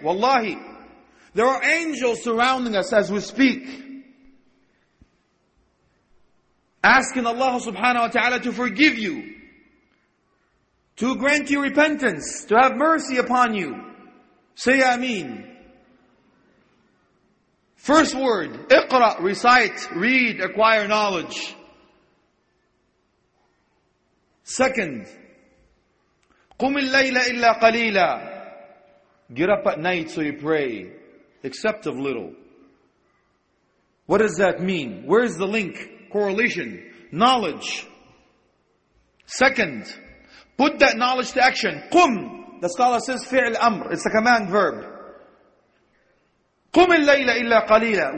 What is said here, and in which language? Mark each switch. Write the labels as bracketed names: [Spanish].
[English] Wallahi, there are angels surrounding us as we speak, asking Allah subhanahu wa ta'ala to forgive you, to grant you repentance, to have mercy upon you. Say Ameen. First word, iqra, recite, read, acquire knowledge. Second, [Arabic] قُمِ اللَّيْلَ إِلَّا قَلِيلًا. [English] Get up at night so you pray, except of little. What does that mean? Where is the link, correlation, knowledge? Second, put that knowledge to action. [Arabic] قُمْ. [English] The scholar says فِعْلْ أَمْرِ. It's a command verb. [Arabic] قُمِ اللَّيْلَ إِلَّا قَلِيلًا.